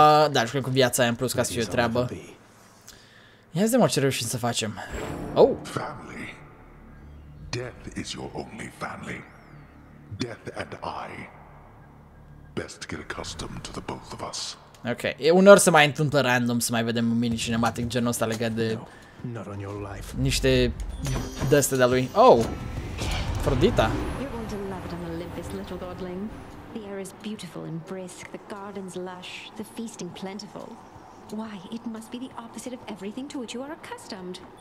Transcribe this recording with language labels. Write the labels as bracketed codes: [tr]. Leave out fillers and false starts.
[ro] Da, jucăm cu viața aia în plus ca să fie o treabă. Ia zi-mă ce reușim să facem. Oh! [en] Family. Death is your only family. Death and I. Best get accustomed to the both of us. [ro] Ok, uneori se mai întâmplă random să mai vedem un mini cinematic genul ăsta legat de niște dăste de-a lui. [en] Oh! Frodita. You're going to love it on Olympus, little godling. The air is beautiful and brisk, the gardens lush, the feasting plentiful. Why, it must be the opposite of everything to which you are accustomed.